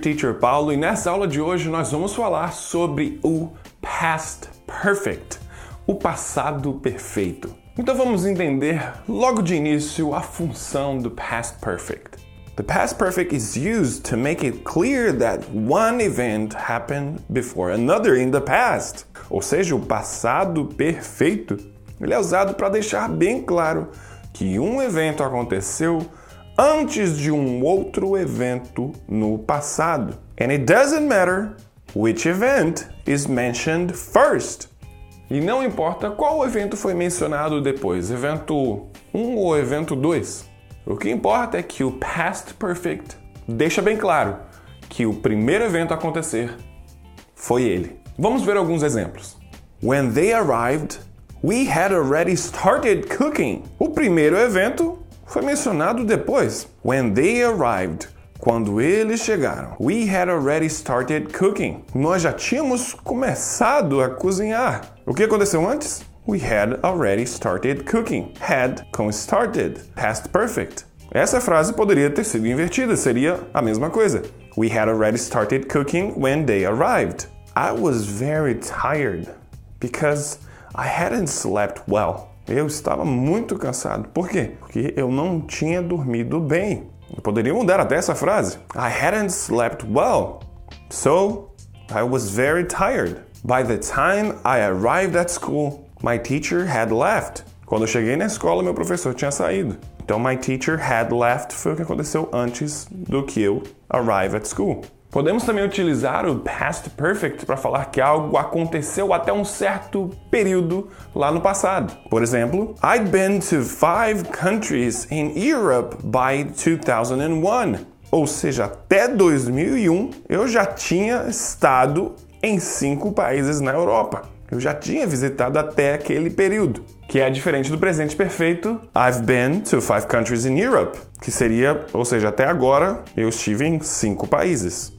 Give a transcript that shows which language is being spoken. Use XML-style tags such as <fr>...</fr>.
<pt>Teacher Paulo e nessa aula de hoje nós vamos falar sobre o past perfect, o passado perfeito. Então vamos entender logo de início a função do past perfect.</pt> <en>The past perfect is used to make it clear that one event happened before another in the past.</en> <pt>Ou seja, o passado perfeito, ele é usado para deixar bem claro que um evento aconteceu antes de um outro evento no passado.</pt> <en>And it doesn't matter which event is mentioned first.</en> <pt>E não importa qual evento foi mencionado depois, evento 1 ou evento 2. O que importa é que o past perfect deixa bem claro que o primeiro evento a acontecer foi ele. Vamos ver alguns exemplos.</pt> <en>When they arrived, we had already started cooking.</en> <pt>O primeiro evento foi mencionado depois.</pt> <en>When they arrived,</en> <pt>quando eles chegaram,</pt> <en>we had already started cooking.</en> <pt>Nós já tínhamos começado a cozinhar. O que aconteceu antes?</pt> <en>We had already started cooking. Had com started, past perfect.</en> <pt>Essa frase poderia ter sido invertida, seria a mesma coisa.</pt> <en>We had already started cooking when they arrived. I was very tired because I hadn't slept well.</en> <pt>Eu estava muito cansado. Por quê? Porque eu não tinha dormido bem. Eu poderia mudar até essa frase.</pt> <en>I hadn't slept well, so I was very tired. By the time I arrived at school, my teacher had left.</en> <pt>Quando eu cheguei na escola, meu professor tinha saído. Então,</pt> <en>my teacher had left</en> <pt>foi o que aconteceu antes do que eu</pt> <en>arrive at school.</en> <pt>Podemos também utilizar o past perfect para falar que algo aconteceu até um certo período lá no passado. Por exemplo,</pt> <en>I'd been to 5 countries in Europe by 2001.</en> <pt>Ou seja, até 2001 eu já tinha estado em 5 países na Europa. Eu já tinha visitado até aquele período. Que é diferente do presente perfeito,</pt> <en>I've been to 5 countries in Europe.</en> <pt>Que seria, ou seja, até agora, eu estive em 5 países.</pt>